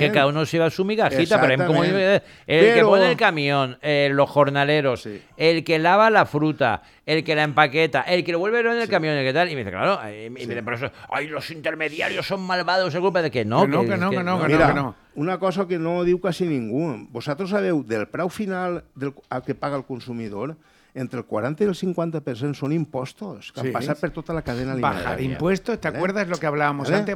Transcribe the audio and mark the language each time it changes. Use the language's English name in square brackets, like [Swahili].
[Spanish] Que es que cada uno se va a su migajita. Pero como el que pone el camión, los jornaleros, sí. El que lava la fruta, el que la empaqueta, el que lo vuelve en el camión, el que tal, y me dice, claro, y me dice, pero eso, ay, los intermediarios son malvados, es culpa de que no. Que no. [Catalan] Una cosa que no diu quasi ningú. Vosaltres sabeu del preu final al que paga el consumidor, entre el 40 i el 50% són impostos que han passat per tota la cadena alimentària. [Spanish] Bajar impostos, ¿te acuerdas lo que hablábamos antes?